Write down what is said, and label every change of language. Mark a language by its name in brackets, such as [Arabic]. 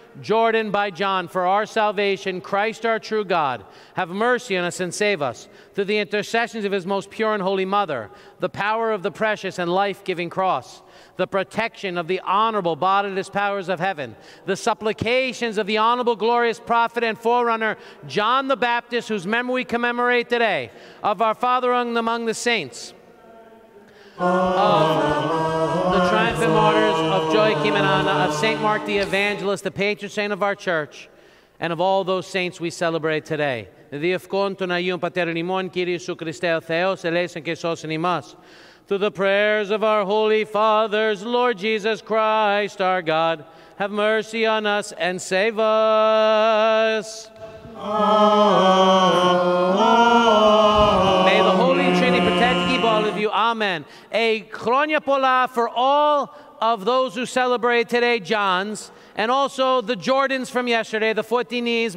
[English] Jordan by John, for our salvation, Christ our true God, have mercy on us and save us, through the intercessions of his most pure and holy mother, the power of the precious and life-giving cross, the protection of the honorable bodiless powers of heaven, the supplications of the honorable, glorious prophet and forerunner, John the Baptist, whose memory we commemorate today, of our Father among the saints, of the triumphant martyrs of Joachim and Anna, of St. Mark the Evangelist, the patron saint of our church, and of all those saints we celebrate today. [Greek] Διευκόντων Αγίων Πατέρων ημών, Κύριε Ιησού Χριστέ ο Θεός, ελέησον και σώσον ημάς. [English] Through the prayers of our holy fathers, Lord Jesus Christ, our God, have mercy on us and save us. Amen. May the Holy Trinity protect and keep all of you. Amen. [Greek] A chronia pola [English] for all of those who celebrate today, John's, and also the Jordans from yesterday, the 14-year-olds.